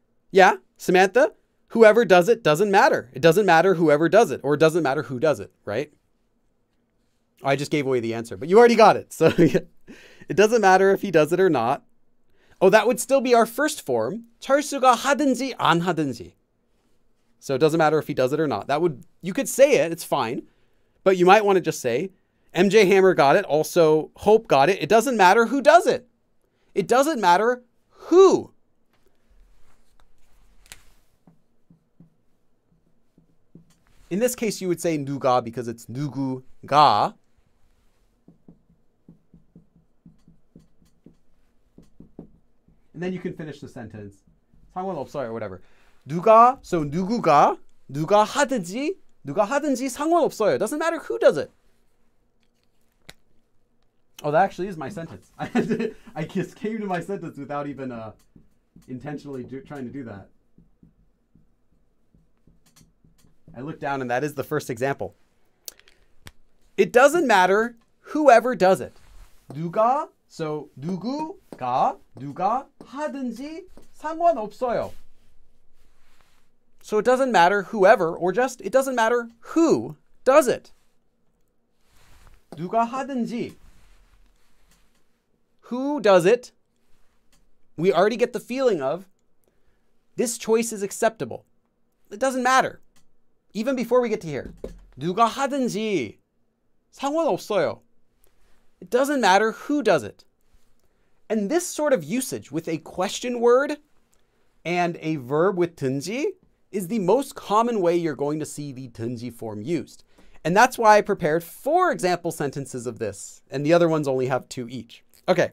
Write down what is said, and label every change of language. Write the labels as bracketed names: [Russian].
[English] Yeah, Samantha, whoever does it doesn't matter. It doesn't matter whoever does it, or it doesn't matter who does it, right? I just gave away the answer, but you already got it. So it doesn't matter if he does it or not. Oh, that would still be our first form. [Korean] 철수가 하든지 안 하든지. [English] So it doesn't matter if he does it or not. That would, you could say it, it's fine. But you might want to just say, MJ Hammer got it, also Hope got it. It doesn't matter who does it. It doesn't matter who. In this case, you would say 누가 because it's 누구가. And then you can finish the sentence. [Korean] 상관없어요, [English] or whatever. [Korean] 누가, so 누구가, 누가 하든지 상관없어요. [English] Doesn't matter who does it. Oh, that actually is my sentence. I just came to my sentence without even intentionally trying to do that. I looked down and that is the first example. It doesn't matter whoever does it. [Korean] 누가, so 누구가, 누가 하든지 상관없어요. [English] So it doesn't matter whoever, or just it doesn't matter who does it. [Korean] 누가 하든지. [English] Who does it? We already get the feeling of this choice is acceptable. It doesn't matter. Even before we get to here. [Korean] 누가 하든지 상관없어요. [English] It doesn't matter who does it. And this sort of usage with a question word and a verb with 든지 is the most common way you're going to see the 든지 form used. And that's why I prepared four example sentences of this, and the other ones only have two each. Okay.